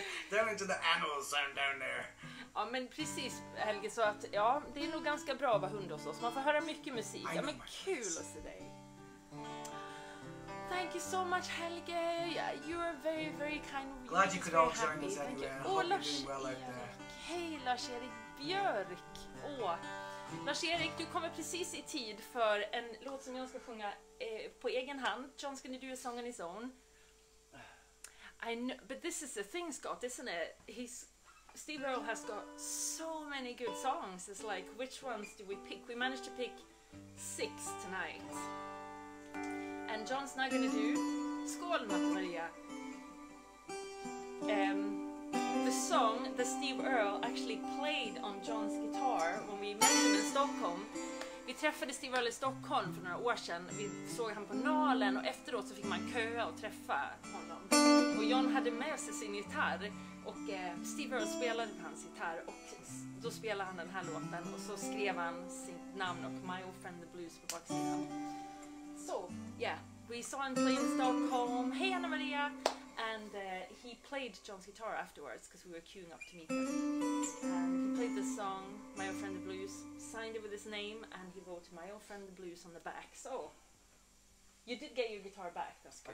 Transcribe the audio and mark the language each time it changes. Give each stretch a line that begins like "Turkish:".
English: down into the annals, I'm down there.
Swedish: Ja, men precis, Helge, så att ja, det är nog ganska bra att vara hund hos oss. Man får höra mycket musik. Ja, men kul att se dig.
English: Thank you so much,
Swedish: Helge.
English: You are very, very kind. Glad you could all join us anyway. Thank you. Oh, hope Lars you're doing well out there.
Swedish: Hej, Lars-Erik Björk. Åh, oh. Lars-Erik, du kommer precis i tid för en låt som jag ska sjunga på egen hand.
English: John,
Swedish: ska ni
English: do a song on his own? I know, but this is the thing, Scott, isn't it? He's... Steve Earle has got so many good songs. It's like, which ones do we pick? We managed to pick 6 tonight. And John's now gonna do Skål Matt Maria. The song that Steve Earle actually played on John's guitar when we met him in Stockholm.
Swedish: Vi träffade Steve Earle i Stockholm för några år sedan. Vi såg han på Nalen och efteråt så fick man köa och träffa honom. Och John hade med sig sin gitarr. Och Steve Earle spelade på hans gitarr och då spelade han den här låten och så skrev han sitt namn och My Old Friend the Blues på baksidan.
English: So, yeah, we saw him play in Stockholm. Hey Anna Maria! And he played John's guitar afterwards because we were queuing up to meet him. And he played this song, My Old Friend the Blues, signed it with his name and he wrote My Old Friend the Blues on the back. So, you did get your guitar back, that's good.